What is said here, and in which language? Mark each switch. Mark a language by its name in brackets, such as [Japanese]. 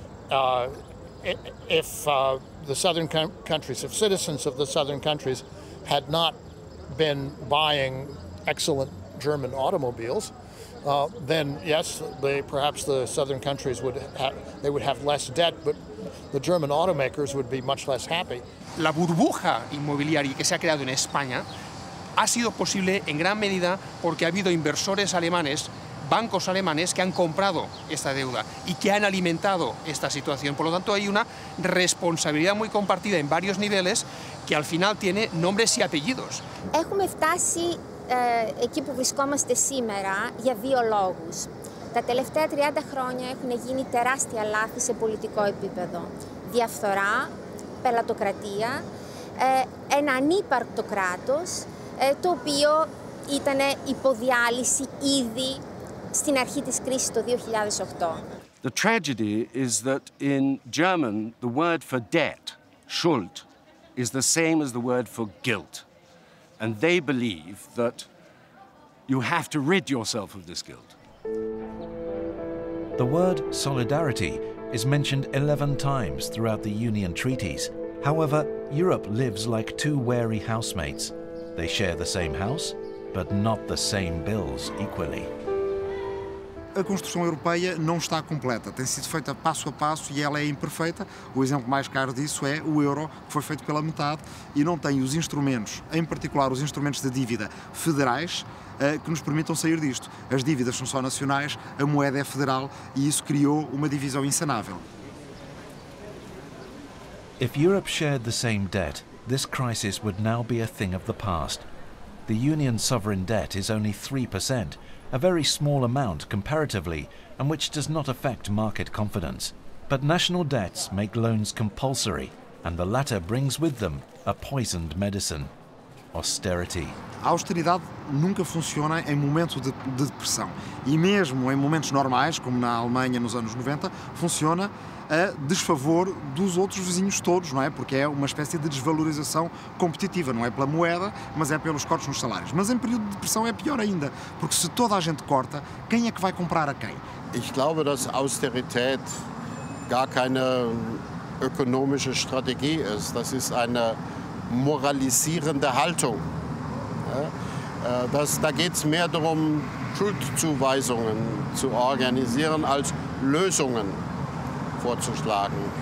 [English] The southern countries, if citizens of the southern countries had not been buying excellent German automobiles, then yes, perhaps the southern countries would have less debt, but the German automakers would be much less happy. [Spanish] La burbuja inmobiliaria que se ha creado en España ha sido posible en gran medida porque ha habido inversores alemanes, bancos alemanes que han comprado esta deuda y que han alimentado esta situación. Por lo tanto, hay una responsabilidad muy compartida en varios niveles que al final tiene nombres y apellidos. [Greek] Έχουμε φτάσει εκεί που βρισκόμαστε σήμερα για δύο λόγους. Τα τελευταία 30 χρόνια έχουν γίνει τεράστια λάθη σε πολιτικό επίπεδο. Διαφθορά, πελατοκρατία, ένα ανύπαρκτο κράτος, το οποίο ήταν υποδιάλυση ήδη στην αρχή της κρίσης το 2008. [English] The tragedy is that in German the word for debt, Schuld, is the same as the word for guilt. And they believe that you have to rid yourself of this guilt. The word solidarity is mentioned 11 times throughout the Union treaties. However, Europe lives like two wary housemates. They share the same house, but not the same bills equally. [Portuguese] A construção europeia não está completa. Tem sido feita passo a passo e ela é imperfeita. O exemplo mais caro disso é o euro, que foi feito pela metade e não tem os instrumentos, em particular os instrumentos de dívida federais, que nos permitam sair disto. As dívidas são só nacionais, a moeda é federal e isso criou uma divisão insanável. [English] If Europe shared the same debt, this crisis would now be a thing of the past. The Union sovereign debt is only 3%. A very small amount comparatively, and which does not affect market confidence. But national debts make loans compulsory, and the latter brings with them a poisoned medicine. austerity. [Portuguese] A austeridade nunca funciona em momento de depressão. E mesmo em momentos normais, como na Alemanha nos anos 90, funciona a desfavor dos outros vizinhos todos, não é? Porque é uma espécie de desvalorização competitiva, não é pela moeda, mas é pelos cortes nos salários. Mas em período de depressão é pior ainda, porque se toda a gente corta, quem é que vai comprar a quem? [German] Ich glaube, dass Austerität gar keine ökonomische Strategie ist. Das ist eine moralisierende Haltung. Da geht es mehr darum, Schuldzuweisungen zu organisieren, als Lösungen vorzuschlagen.